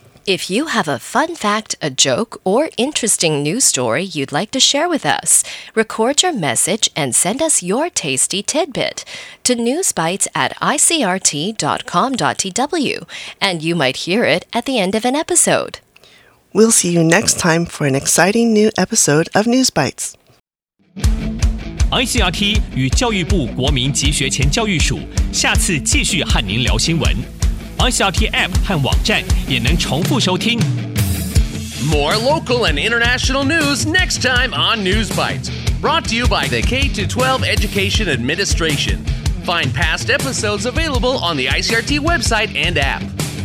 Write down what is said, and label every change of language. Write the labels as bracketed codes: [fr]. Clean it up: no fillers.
[en] If you have a fun fact, a joke, or interesting news story you'd like to share with us, record your message and send us your tasty tidbit to newsbites@icrt.com.tw, and you might hear it at the end of an episode. We'll see you next time for an exciting new episode of News Bites. [zh] ICRT 与教育部国民及学前教育署 下次继续和您聊新闻。 ICRT App 和网站也能重复收听。 [en] More local and international news next time on News Bites. Brought to you by the K-12 Education Administration. Find past episodes available on the ICRT website and app.